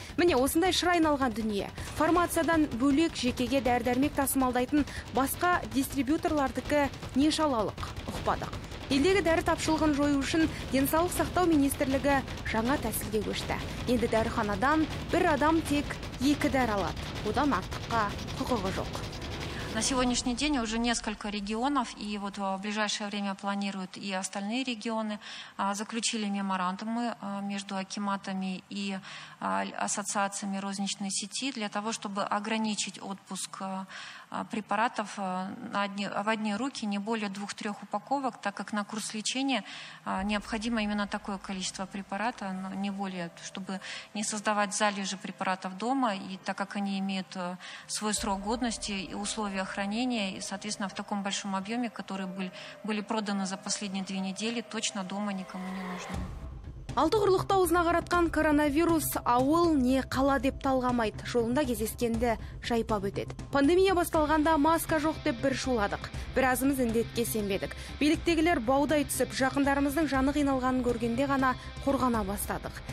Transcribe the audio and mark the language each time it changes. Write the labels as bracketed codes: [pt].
[kk] Міне осындай шыр айналған дүние. Фармациядан бөлек жекеге дәрі-дәрмек тасымалдайтын басқа дистрибьюторлардікі не шалалық? Ұқпадық. Елдегі дәрі тапшылығын жою үшін Денсаулық сақтау министрлігі жаңа тәсілге көшті. Енді дәріханадан бір адам тек екі дәрі алады. Одан артыққа құқығы жоқ. [ru] На сегодняшний день уже несколько регионов, и вот в ближайшее время планируют и остальные регионы, заключили меморандумы между акиматами и ассоциациями розничной сети для того, чтобы ограничить отпуск препаратов в одни руки, не более 2-3 упаковок, так как на курс лечения необходимо именно такое количество препарата, не более, чтобы не создавать залежи препаратов дома, и так как они имеют свой срок годности и условия хранения, и, соответственно, в таком большом объеме, который были проданы за последние 2 недели, точно дома никому не нужно. [kk] Алты құрлықта ұзына қаратқан коронавирус ауыл не қала деп талғамайды, жолында кезескенде жайпап өтеді. Пандемия басталғанда маска жоқ деп бір шуладық, біразымыз індетке сенбедік. Биліктегілер баудай түсіп, жақындарымыздың жаны қиналғанын көргенде ғана қорғана бастадық.